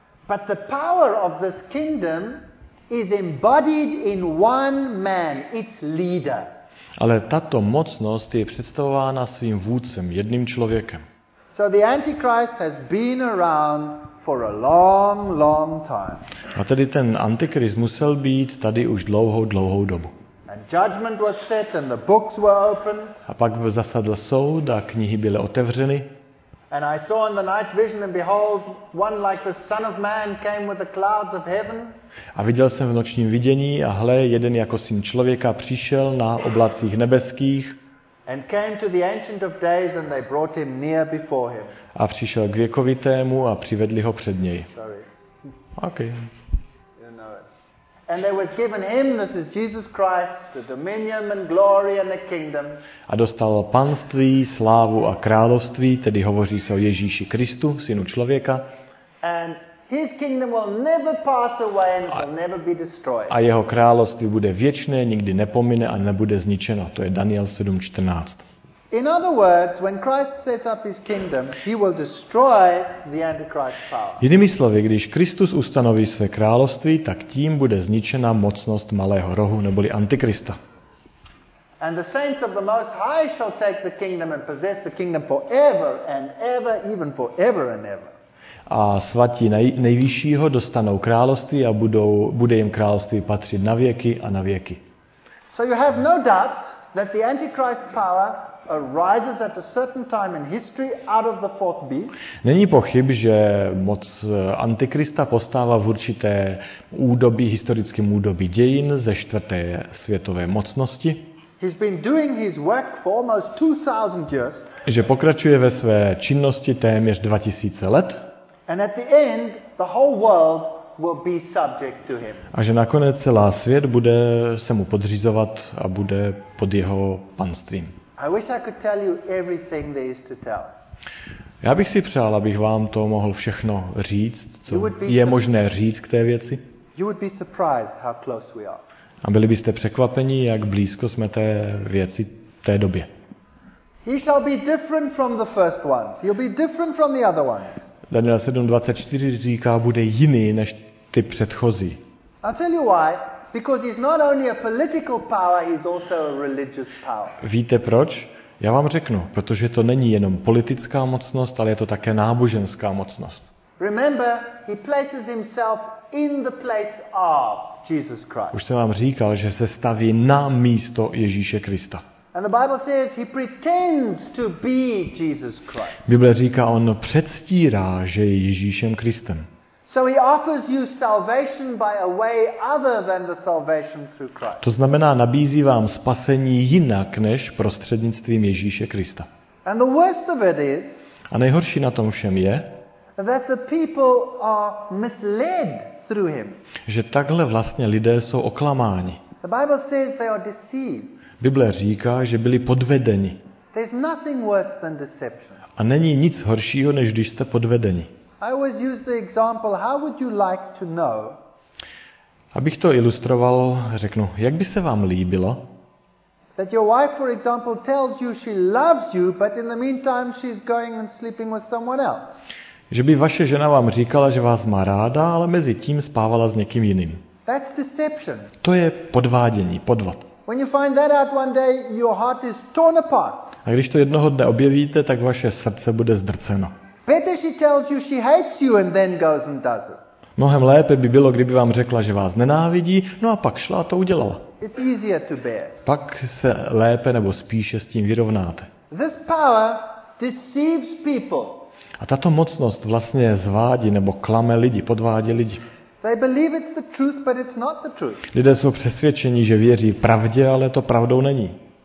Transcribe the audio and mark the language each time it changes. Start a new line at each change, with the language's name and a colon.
English: But the power of this kingdom is embodied in one man, its leader.
Czech: Ale tato mocnost je představována svým vůdcem, jedným člověkem.
English: So the Antichrist has been around for a long, long time.
Czech: A tedy ten antikrist musel být tady už dlouhou, dlouhou dobu.
English: And judgment was set and the books were opened.
Czech: A pak zasadl soud a knihy byly otevřeny.
English: And I saw in the night vision and behold one like the son of man came with the clouds of heaven.
Czech: A viděl jsem v nočním vidění a hle, jeden jako syn člověka přišel na oblacích nebeských.
English: And came to the Ancient of Days and they brought him near before him.
Czech: A přišel k věkovitému a přivedli ho před něj.
English: Okay. And there was given him, this is Jesus Christ, the dominion and glory and the kingdom.
Czech: A dostal panství, slávu a království, tedy hovoří se o Ježíši Kristu, synu člověka.
English: And his kingdom will never pass away and will never be destroyed.
Czech: A jeho království bude věčné, nikdy nepomine a nebude zničeno. To je Daniel 7:14.
English: In other words, when Christ set up his kingdom, he will destroy the antichrist's power.
Czech: Jinými slovy, když Kristus ustanoví své království, tak tím bude zničena mocnost malého rohu neboli antikrista.
English: And the saints of the Most High shall take the kingdom and possess the kingdom forever and ever, even forever and ever.
Czech: A svatí nejvyššího dostanou království a bude jim království patřit na věky a na věky.
English: So you have no doubt that the Antichrist power arises at a certain time in history out of the fourth beast.
Czech: Není pochyb, že moc antikrista postává v určité údobí, historickém údobí dějin ze čtvrté světové mocnosti.
English: He's been doing his work for almost 2000 years.
Czech: Že pokračuje ve své činnosti téměř 2000 let.
English: And at the end the whole world will be subject to him.
Czech: A že nakonec celá svět bude se mu podřizovat a bude pod jeho panstvím.
English: I wish I could tell you everything there is to tell.
Czech: Já bych si přál, abych vám to mohl všechno říct, co je možné říct k té věci.
English: You would be surprised how close we are.
Czech: A byli byste překvapeni, jak blízko jsme té věci té době.
English: He shall be different from the first ones. He'll be different from the other ones.
Czech: Daniel 7:24 říká, bude jiný než ty předchozí.
English: I'll tell you why. Because he's not only a political power, he's also a religious power.
Czech: Víte proč? Já vám řeknu, protože to není jenom politická mocnost, ale je to také náboženská mocnost.
English: Remember, he places himself in the place of Jesus Christ.
Czech: Už jsem vám říkal, že se staví na místo Ježíše Krista.
English: And the Bible says he pretends to be Jesus Christ.
Czech: Bible říká, on předstírá, že je Ježíšem Kristem.
English: So he offers you salvation by a way other than the salvation through Christ.
Czech: To znamená, nabízí vám spasení jinak než prostřednictvím Ježíše Krista.
English: And the worst of it is,
Czech: a nejhorší na tom všem je,
English: that the people are misled through him.
Czech: Že takhle vlastně lidé jsou oklamáni.
English: The Bible says they are deceived.
Czech: Bible říká, že byli podvedeni.
English: There's nothing worse than deception.
Czech: A není nic horšího, než když jste podvedeni.
English: I always use the example, how would you like to know?
Czech: Abych to ilustroval, řeknu, jak by se vám líbilo?
English: That your wife, for example, tells you she loves you, but in the meantime she's going and sleeping with someone else.
Czech: Že by vaše žena vám říkala, že vás má ráda, ale mezi tím spávala s někým jiným.
English: That's deception.
Czech: To je podvádění, podvod.
English: When you find that out one day, your heart is torn apart.
Czech: A když to jednoho dne objevíte, tak vaše srdce bude zdrceno.
English: Better she tells you she hates you and then goes and does it.
Czech: Mnohem lépe by bylo, kdyby vám řekla, že vás nenávidí, no a pak šla a to udělala.
English: It's easier to bear.
Czech: Pak se lépe nebo spíše s tím vyrovnáte.
English: This power deceives people.
Czech: A tato mocnost vlastně zvádí nebo klame lidi, podvádí lidi.
English: They believe it's the truth, but it's not the truth.
Czech: Lidé jsou přesvědčeni, že věří pravdě, ale to pravdou není.